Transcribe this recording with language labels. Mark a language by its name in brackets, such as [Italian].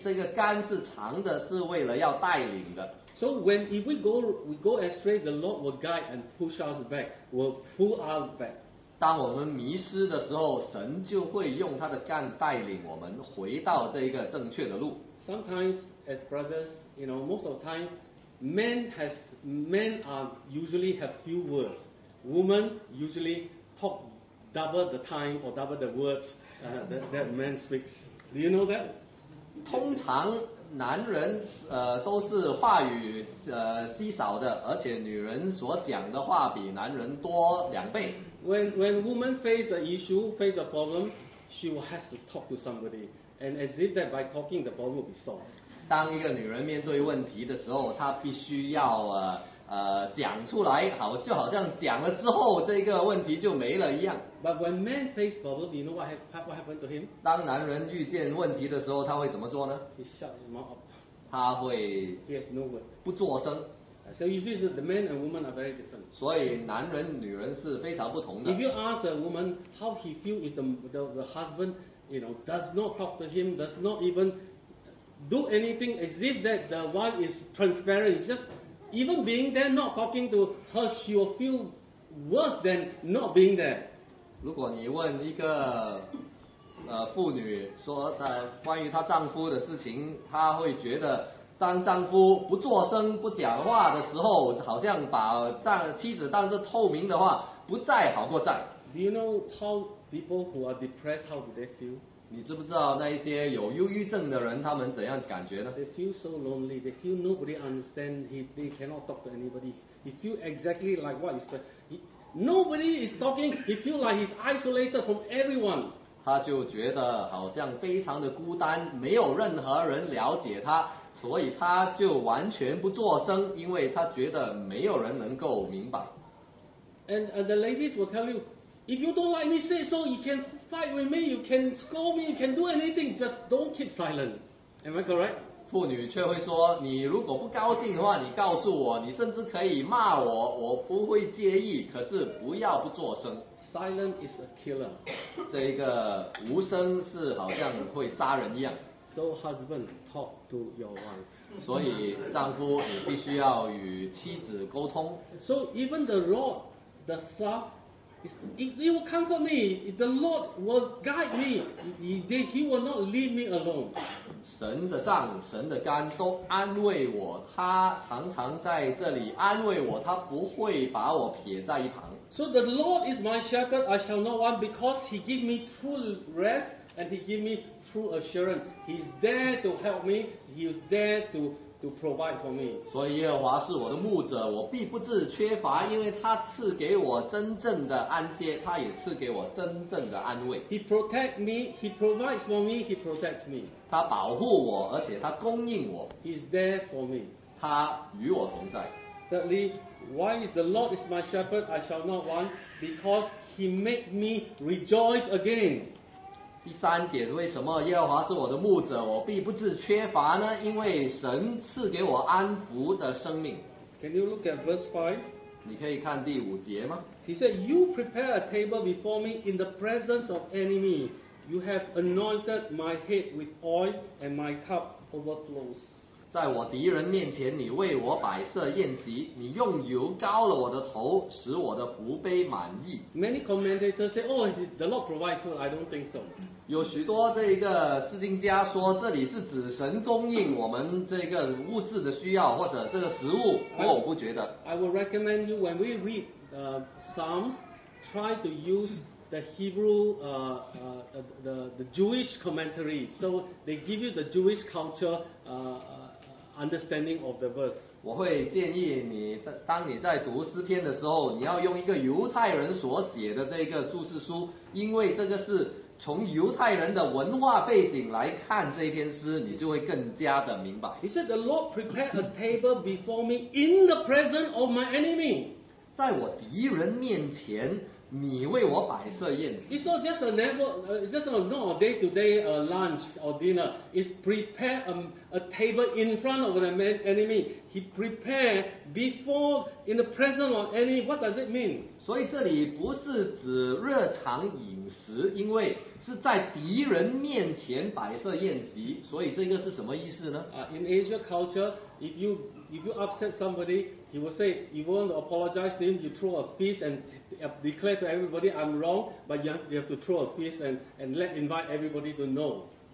[Chinese] 这个杆是长的，是为了要带领的。 [English] So when if we go astray, the Lord will guide and push us back, will pull us back. [Chinese] 当我们迷失的时候，神就会用他的杆带领我们回到这个正确的路。 [English] Sometimes as brothers, you know, most of the time, men are usually have few words. Women usually talk double the time or double the words that man speaks. Do you know that? [Chinese] 通常男人都是话语稀少的，而且女人所讲的话比男人多两倍。 [English] When woman face an issue, face a problem, she will have to talk to somebody, and as if that by talking the problem will be solved. [Chinese] 当一个女人面对问题的时候，她必须要讲出来，好，就好像讲了之后，这个问题就没了一样。 [English] But when man face problem, you know what happened to him? [Chinese] 当男人遇见问题的时候，他会怎么做呢 [English] ？He shut his mouth up. [Chinese] 他会 [English] ？Yes, no word. [Chinese] 不作声。 [English] So usually the men and women are very different. [Chinese] 所以男人女人是非常不同的。 [English] If you ask a woman how he feel if the husband, you know, does not talk to him, does not even do anything, as if that the wife is transparent, it's just Even being there, not talking to her, she will feel worse than not being there. [Chinese] 如果你问一个妇女说关于她丈夫的事情，她会觉得当丈夫不作声不讲话的时候，好像把妻子当作透明的话，不在好过在。 [English] Do you know how people who are depressed how do they feel? [Chinese] 你知不知道那一些有忧郁症的人他们怎样感觉呢？ [English] They feel so lonely. They feel nobody understand. They cannot talk to anybody. He feel exactly like what is the nobody is talking. He feel like he's isolated from everyone. [Chinese] 他就觉得好像非常的孤单，没有任何人了解他，所以他就完全不作声，因为他觉得没有人能够明白。 [English] And the ladies will tell you, if you don't like me, say so. You can fight with me. You can scold me. You can do anything. Just don't keep silent. Am I correct? [Chinese] 妇女却会说，你如果不高兴的话，你告诉我，你甚至可以骂我，我不会介意。可是不要不作声。 [English] Silent is a killer. [Chinese] 这一个无声是好像会杀人一样。 [English] So husband, talk to your wife. [Chinese] 所以丈夫，你必须要与妻子沟通。 [English] So even the rod, the staff, it will comfort me. The Lord will guide me. He will not leave me alone. [Chinese] 神的杖、神的竿都安慰我，他常常在这里安慰我，他不会把我撇在一旁。 [English] So the Lord is my shepherd, I shall not want, because He give me true rest and He give me true assurance. He's there to help me. He's there to provide for me. [Chinese] 所以耶和华是我的牧者，我必不致缺乏，因为他赐给我真正的安歇，他也赐给我真正的安慰。 [English] He protects me. He provides for me. He protects me. [Chinese] 他保护我，而且他供应我。 [English] He's there for me. [Chinese] 他与我同在。 [English] Thirdly, why is the Lord is my shepherd? I shall not want, because He made me rejoice again. [Chinese] 第三点，为什么耶和华是我的牧者，我必不致缺乏呢？因为神赐给我安抚的生命。 [English] Can you look at verse 5? [Chinese] 你可以看第五节吗？ [English] He said, You prepare a table before me in the presence of enemy. You have anointed my head with oil and my cup overflows. [Chinese] 在我敌人面前你为我摆设宴席，你用油膏了我的头，使我的福杯满溢。 [English] Many commentators say, Oh, the Lord provides food. I don't think so. [Chinese] 有许多这个释经家说，这里是指神供应我们这个物质的需要，或者这个食物，我不觉得。 [English] I will recommend you, when we read Psalms, try to use the Hebrew, the Jewish commentary. So they give you the Jewish culture, understanding of the verse. [Chinese] 我会建议你，当你在读诗篇的时候，你要用一个犹太人所写的这个注释书，因为这个是从犹太人的文化背景来看这篇诗，你就会更加的明白。 [English] He said, "The Lord prepared a table before me in the presence of my enemy." [Chinese] 在我敌人面前，你为我摆设宴席。 [English] It's not just a never, just a not a day-to-day lunch or dinner. It's prepare a table in front of the enemy. He prepare before in the presence of enemy. What does it mean? [Chinese] 所以这里不是指日常饮食，因为是在敌人面前摆设宴席。所以这个是什么意思呢？ [English] In Asia culture, if you upset somebody, he will say, you want to apologize to him, you throw a fist and declare to everybody I'm wrong, but you have to throw a fist and let invite everybody to know.